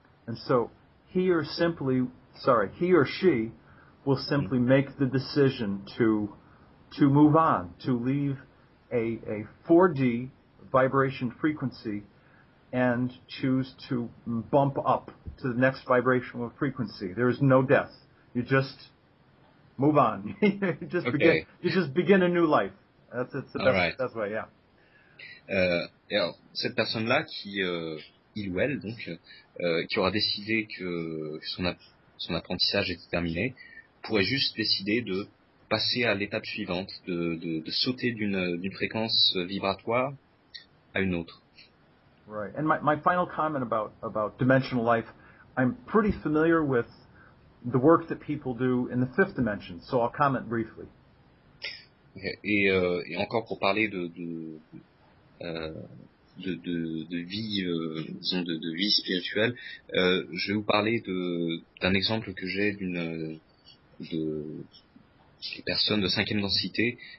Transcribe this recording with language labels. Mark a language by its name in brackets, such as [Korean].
[English] And so, he or she will simply make the decision to move on, to leave a 4D vibration frequency and choose to bump up to the next vibrational frequency. There is no death. You just move on. You just begin a new life. That's the best, all right. That's why, yeah. [French] Alors, cette personne-là qui, il ou elle, donc, qui aura décidé que son son apprentissage est terminé, pourrait juste décider de passer à l'étape suivante, de sauter d'une fréquence vibratoire à une autre. [English] Right. And my final comment about dimensional life, I'm pretty familiar with the work that people do in the fifth dimension, so I'll comment briefly. [French] Et encore pour parler de vie, disons de vie spirituelle, je vais vous parler d'un exemple que j'ai d'une personne de cinquième densité.